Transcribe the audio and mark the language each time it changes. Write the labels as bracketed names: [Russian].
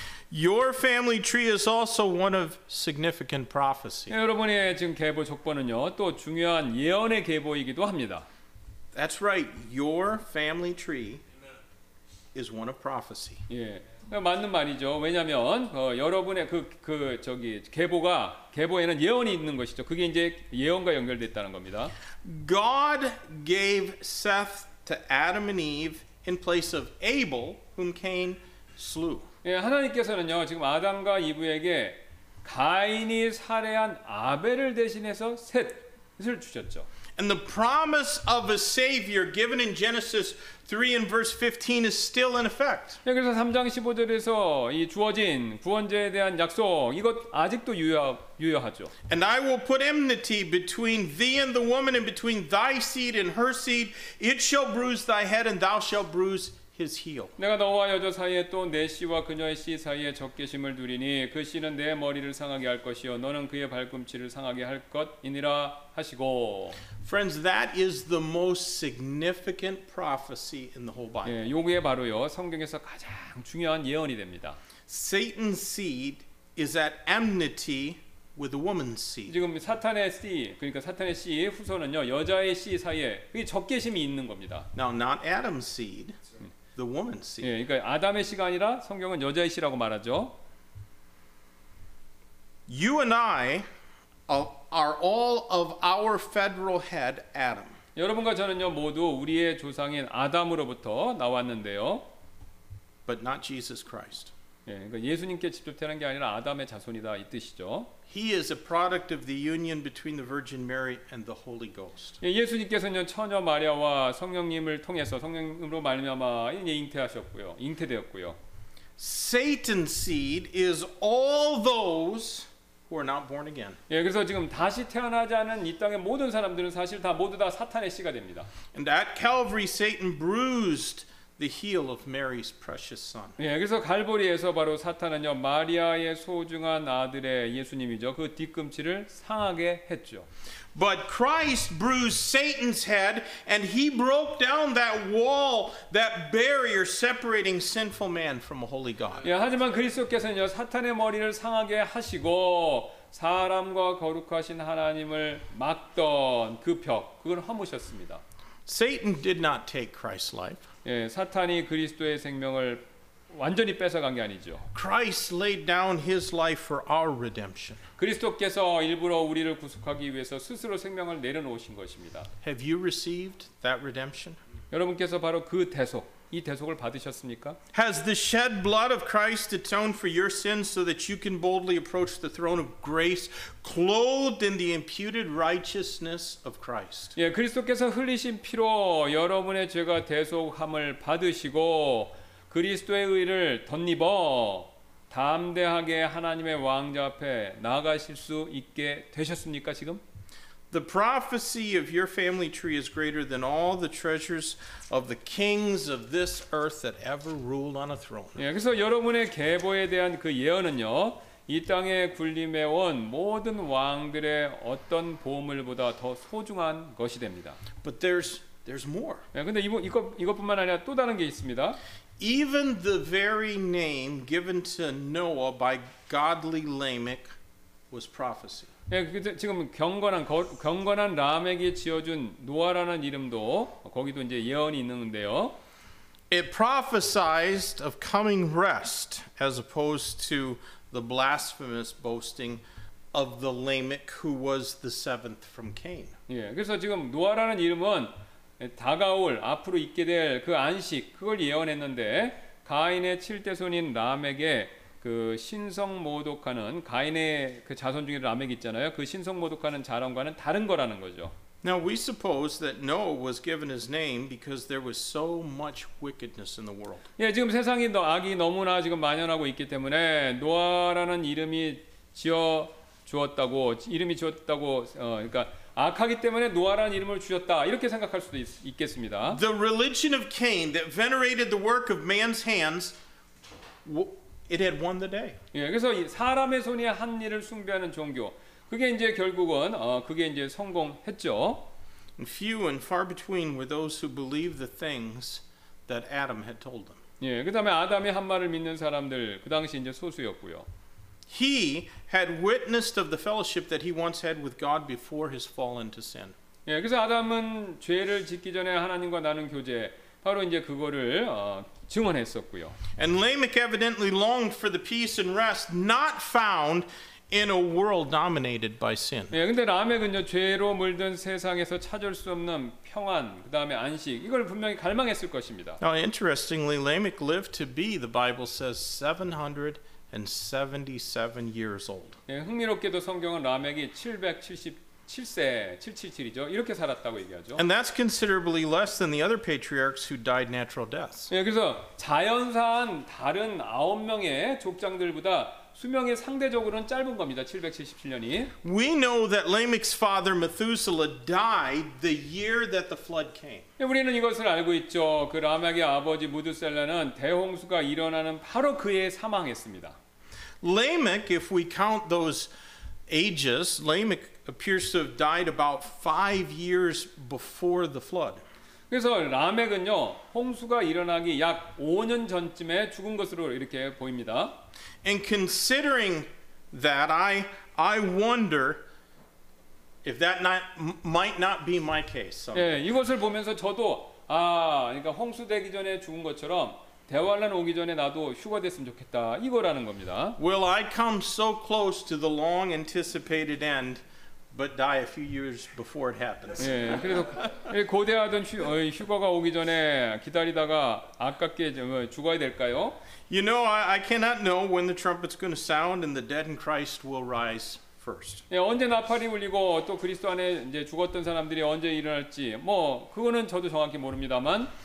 [English] Your family tree is also one of significant prophecy. [Korean] 예, 여러분의 지금 계보 족보는요, 또 중요한 예언의 계보이기도 합니다. [English] That's right. Your family tree is one of prophecy. [Korean] 예. 맞는 말이죠. 왜냐하면 여러분의 저기 계보가 계보에는 예언이 있는 것이죠. 그게 이제 예언과 연결됐다는 겁니다. [English] God gave Seth to Adam and Eve in place of Abel, whom Cain slew. [Korean] 예, 하나님께서는요 지금 아담과 이브에게 가인이 살해한 아벨을 대신해서 셋을 주셨죠. [English] And the promise of a savior given in Genesis 3 and verse 15 is still in effect. [Korean] 예, 그래서 3장 15절에서 이 주어진 구원자에 대한 약속 이것 아직도 유효하죠. [English] And I will put enmity between thee and the woman and between thy seed and her seed. It shall bruise thy head and thou shalt bruise his heel. [Korean] 내가 너와 여자 사이에 또 내 씨와 그녀의 씨 사이에 적개심을 두리니 그 씨는 내 머리를 상하게 할 것이요 너는 그의 발꿈치를 상하게 할 것이니라 하시고. [English] Friends, that is the most significant prophecy in the whole Bible. [Korean] 예, 이게 바로요 성경에서 가장 중요한 예언이 됩니다. [English] Satan's seed is at enmity with the woman's seed. [Korean] 지금 사탄의 씨, 그러니까 사탄의 씨 후손은요 여자의 씨 사이에 그게 적개심이 있는 겁니다. [English] Now, not Adam's seed, the woman's seed. [Korean] 예, 그러니까 아담의 씨가 아니라 성경은 여자의 씨라고 말하죠. [English] You and I. Are all of our federal head Adam. [Korean] 여러분과 저는요 모두 우리의 조상인 아담으로부터 나왔는데요. [English] But not Jesus Christ. [Korean] 예, 그러니까 예수님께 직접 태어난 게 아니라 아담의 자손이다 이 뜻이죠. [English] He is a product of the union between the Virgin Mary and the Holy Ghost. [Korean] 예, 예수님께서는 처녀 마리아와 성령님을 통해서 성령으로 말미암아 잉태하셨고요. 잉태되었고요. [English] Satan's seed is all those who are not born again. [Korean] 예, 그래서 지금 다시 태어나지 않은 이 땅의 모든 사람들은 사실 다 모두 다 사탄의 씨가 됩니다. [English] And at Calvary, Satan bruised the heel of Mary's precious son. [Korean] 예, 그래서 갈보리에서 바로 사탄은요 마리아의 소중한 아들의 예수님이죠 그 뒤꿈치를 상하게 했죠. [English] But Christ bruised Satan's head, and He broke down that wall, that barrier separating sinful man from a holy God. [Korean] 예, 하지만 그리스도께서는요 사탄의 머리를 상하게 하시고 사람과 거룩하신 하나님을 막던 그 벽 그걸 허무셨습니다. [English] Satan did not take Christ's life. [Korean] 예, 사탄이 그리스도의 생명을 완전히 뺏어간 게 아니죠. [English] Christ laid down His life for our redemption. [Korean] 그리스도께서 일부러 우리를 구속하기 위해서 스스로 생명을 내려놓으신 것입니다. [English] Have you received that redemption? [Korean] 여러분께서 바로 그 대속, 이 대속을 받으셨습니까? [English] Has the shed blood of Christ atoned for your sins so that you can boldly approach the throne of grace, clothed in the imputed righteousness of Christ? [Korean] 예, 그리스도께서 흘리신 피로 여러분의 죄가 대속함을 받으시고 그리스도의 의를 덧입어 담대하게 하나님의 왕좌 앞에 나아가실 수 있게 되셨습니까 지금? [English] The prophecy of your family tree is greater than all the treasures of the kings of this earth that ever ruled on a throne. [Korean] 예, 그래서 여러분의 계보에 대한 그 예언은요 이 땅에 군림해온 모든 왕들의 어떤 보물보다 더 소중한 것이 됩니다. [English] But there's more. [Korean] 예, 근데 이것뿐만 아니라 또 다른 게 있습니다. [English] Even the very name given to Noah by godly Lamech was prophecy. [Korean] 예, 지금 경건한 라멕이 지어준 노아라는 이름도 거기도 이제 예언이 있는데요. [English] It prophesied of coming rest as opposed to the blasphemous boasting of the Lamech who was the seventh from Cain. [Korean] 예, 그래서 지금 노아라는 이름은 다가올 앞으로 있게 될 그 안식 그걸 예언했는데 가인의 칠대손인 라멕에 그 신성 모독하는 가인의 그 자손 중에 라멕 있잖아요. 그 신성 모독하는 자랑과는 다른 거라는 거죠. [English] Now we suppose that Noah was given his name because there was so much wickedness in the world. [Korean] 예, 지금 세상에 악이 너무나 지금 만연하고 있기 때문에 노아라는 이름이 지어 주었다고 이름이 지었다고 그러니까 악하기 때문에 노아라는 이름을 주셨다 이렇게 생각할 수도 있겠습니다. [English] The religion of Cain that venerated the work of man's hands, it had won the day. [Korean] 예, 그래서 사람의 손이 한 일을 숭배하는 종교, 그게 이제 결국은 그게 이제 성공했죠. [English] And few and far between were those who believed the things that Adam had told them. [Korean] 예, 그다음에 아담의 한 말을 믿는 사람들 그 당시 이제 소수였고요. [English] He had witnessed of the fellowship that he once had with God before his fall into sin. [Korean] 예, 그래서 아담은 죄를 짓기 전에 하나님과 나눈 교제 바로 이제 그거를 증언했었고요. [English] And Lamech evidently longed for the peace and rest not found in a world dominated by sin. [Korean] 예, 근데 라멕은요 죄로 물든 세상에서 찾을 수 없는 평안, 그다음에 안식 이걸 분명히 갈망했을 것입니다. [English] Now, interestingly, Lamech lived to be, the Bible says, 777 years old. [Korean] 예, 흥미롭게도 성경은 라멕이 777세, 777이죠. 이렇게 살았다고 얘기하죠. [English] And that's considerably less than the other patriarchs who died natural deaths. [Korean] 예, 그래서 자연산 다른 아홉 명의 족장들보다 수명이 상대적으로는 짧은 겁니다. 777년이. [English] We know that Lamech's father Methuselah died the year that the flood came. [Korean] 예, 우리는 이것을 알고 있죠. 그 라멕의 아버지 무드셀라는 대홍수가 일어나는 바로 그해 사망했습니다. [English] Lamech, if we count those ages, Lamech appears to have died about 5 years before the flood. [Korean] 그래서 라멕은요, 홍수가 일어나기 약 5년 전쯤에 죽은 것으로 이렇게 보입니다. [English] And considering that, I wonder if that not, might not be my case. [Korean] 예, 이것을 보면서 저도 아, 그러니까 홍수 되기 전에 죽은 것처럼 대환란 오기 전에 나도 휴가 됐으면 좋겠다 이거라는 겁니다. [English] Will I come so close to the long anticipated end, but die a few years before it happens? [Korean] 예, 그래서 고대하던 휴가가 오기 전에 기다리다가 아깝게 죽어야 될까요? [English] You know, I cannot know when the trumpet's going to sound and the dead in Christ will rise first. [Korean] 예, 언제 나팔이 울리고 또 그리스도 안에 이제 죽었던 사람들이 언제 일어날지 뭐 그거는 저도 정확히 모릅니다만.